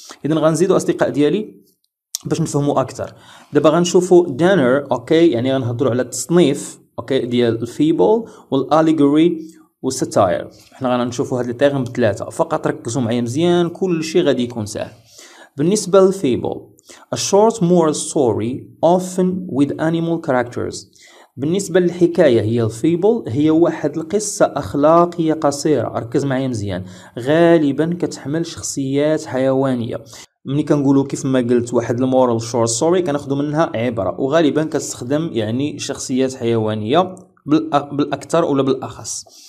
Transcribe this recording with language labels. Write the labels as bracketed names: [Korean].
[Arabic] اذا غنزيدوا اصدقاء ديالي باش نفهموا اكثر. دابا غنشوفوا دانر، اوكي يعني غنهضروا على التصنيف اوكي ديال الفيبل والاليجوري والستاير. حنا غنشوفوا هاد لي تيرم بثلاثه، فقط ركزوا معايا مزيان كل شيء غادي يكون سهل. بالنسبه للفيبل، [English] A short moral story often with animal characters. [Arabic] بالنسبة للحكاية هي الفيبل، هي واحد القصة أخلاقية قصيرة، ركز معايا مزيان، غالبا كتحمل شخصيات حيوانية. ملي كنقولوا كيف ما قلت واحد المورال شورت ستوري كناخذوا منها عبرة، وغالبا كتستخدم يعني شخصيات حيوانية بالأكثر ولا بالأخص.